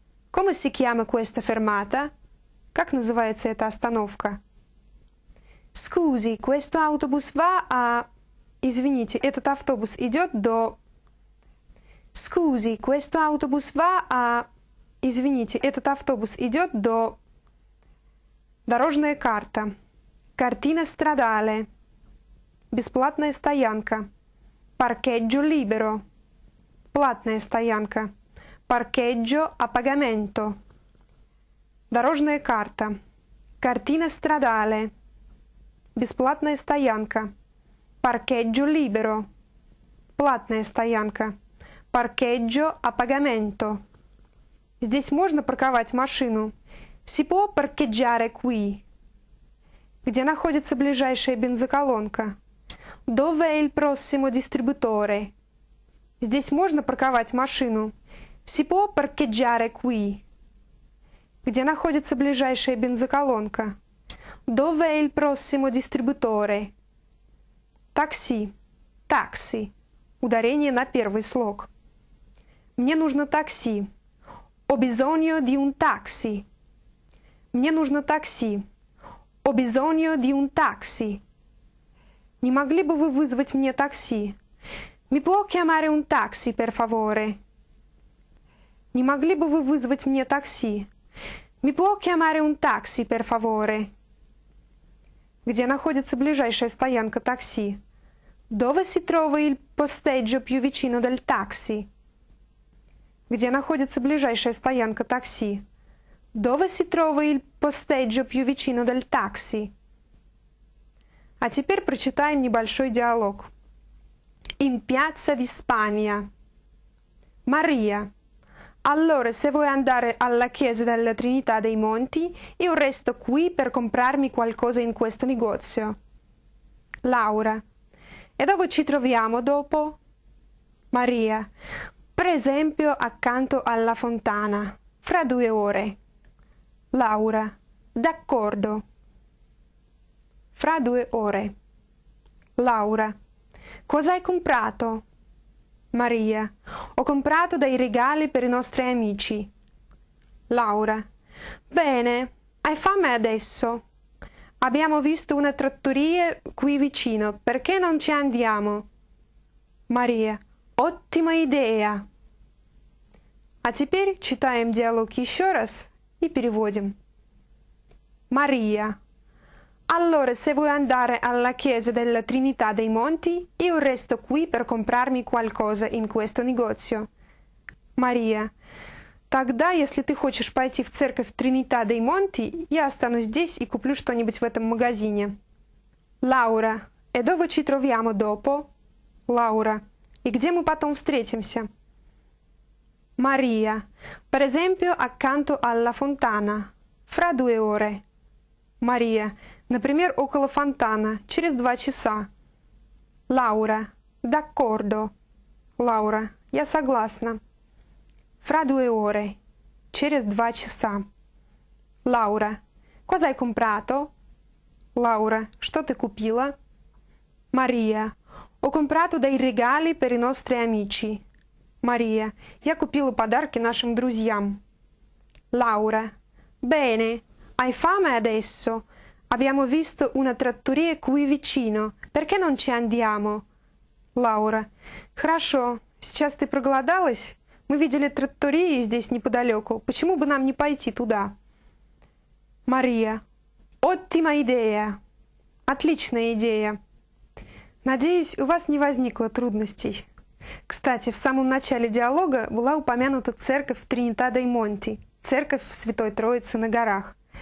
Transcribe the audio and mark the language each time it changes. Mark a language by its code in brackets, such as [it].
[it] Come si chiama questa fermata? [ru] Как называется эта остановка? [it] Scusi, questo autobus va a... [ru] Извините, этот автобус идет до... [it] Scusi, questo autobus va a... [ru] Извините, этот автобус идет до... Дорожная карта. [it] Картина страдале. [ru] Бесплатная стоянка. [it] Паркеджо либеро. [ru] Платная стоянка. [it] Паркеджо а пагаменто. [ru] Дорожная карта. [it] Картина страдале. [ru] Бесплатная стоянка. [it] Паркеджо либеро. [ru] Платная стоянка. [it] Паркеджо а пагаменто. [ru] Здесь можно парковать машину. [it] Si può parcheggiare qui. [ru] Где находится ближайшая бензоколонка? [it] Dove è il prossimo distributore? [ru] Здесь можно парковать машину. [it] Si può parcheggiare qui. [ru] Где находится ближайшая бензоколонка? [it] Dove è il prossimo distributore? [ru] Такси. Такси. Ударение на первый слог. Мне нужно такси. [it] Ho bisogno di un taxi. [ru] Мне нужно такси. [it] Ho bisogno di un taxi. [ru] Не могли бы вы вызвать мне такси? [it] Mi può chiamare un taxi, per favore? [ru] Не могли бы вы вызвать мне такси? [it] Mi può chiamare un taxi, per favore? [ru] Где находится ближайшая стоянка такси? [it] Dove si trova il posteggio più vicino del taxi? [ru] Где находится ближайшая стоянка такси? [it] Dove si trova il posteggio più vicino del taxi? [ru] А теперь прочитаем небольшой диалог. [it] In piazza di Spagna. Maria. Allora, se vuoi andare alla chiesa della Trinità dei Monti, io resto qui per comprarmi qualcosa in questo negozio. Laura. E dove ci troviamo dopo? Maria. Per esempio, accanto alla fontana. Fra due ore. Laura, d'accordo. Fra due ore. Laura, cosa hai comprato? Maria, ho comprato dei regali per i nostri amici. Laura, bene, hai fame adesso? Abbiamo visto una trattoria qui vicino, perché non ci andiamo? Maria, ottima idea. [ru] А теперь читаем диалог еще раз и переводим. [it] Maria. Allora, se vuoi andare alla chiesa della Trinità dei Monti, io resto qui per comprarmi qualcosa in questo negozio. Maria. [ru] Тогда, если ты хочешь пойти в церковь Trinità dei Monti, я останусь здесь и куплю что-нибудь в этом магазине. Laura. [it] E dove ci troviamo dopo? Laura. [ru] E где мы потом встретимся? [it] Maria. Per esempio, accanto alla fontana. Fra due ore. Maria. [ru] Например, около фонтана. Через два часа. Laura. [it] D'accordo. [ru] Laura. Я согласна. [it] Fra due ore. [ru] Через два часа. Laura. [it] Cosa hai comprato? [ru] Laura. Что ты купила? Maria. [it] Ho comprato dei regali per i nostri amici. Maria. [ru] Я купила подарки нашим друзьям. [it] Laura. Bene. Hai fame adesso? Abbiamo visto una trattoria qui vicino. Perché non ci andiamo? Laura. [ru] Хорошо. Сейчас ты проголодалась? Мы видели тратторию здесь неподалеку. Почему бы нам не пойти туда? [it] Maria. Ottima idea. [ru] Отличная идея. Надеюсь, у вас не возникло трудностей. Кстати, в самом начале диалога была упомянута церковь Тринита-дей-Монти, церковь Святой Троицы на горах.